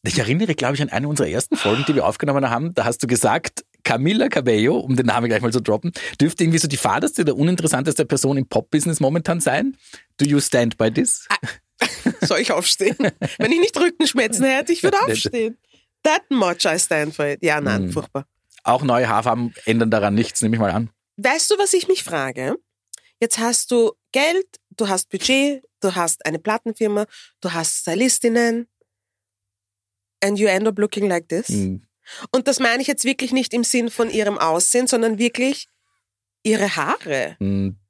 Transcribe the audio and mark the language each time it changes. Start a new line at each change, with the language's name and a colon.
German: Ich erinnere, glaube ich, an eine unserer ersten Folgen, die wir aufgenommen haben. Da hast du gesagt, Camila Cabello, um den Namen gleich mal zu droppen, dürfte irgendwie so die faderste oder uninteressanteste Person im Pop-Business momentan sein.
English: Do you stand by this?
German: Soll ich aufstehen? Wenn ich nicht Rückenschmerzen hätte, ich würde aufstehen.
English: That much I stand for it.
German: Ja, nein, furchtbar. Auch neue Haarfarben ändern daran nichts, nehme ich mal an. Weißt du, was ich mich frage? Jetzt hast du Geld, du hast Budget, du hast eine Plattenfirma, du hast Stylistinnen and you end up looking like this. Mm. Und das meine ich jetzt wirklich nicht im Sinn von ihrem Aussehen, sondern wirklich ihre Haare. Mm.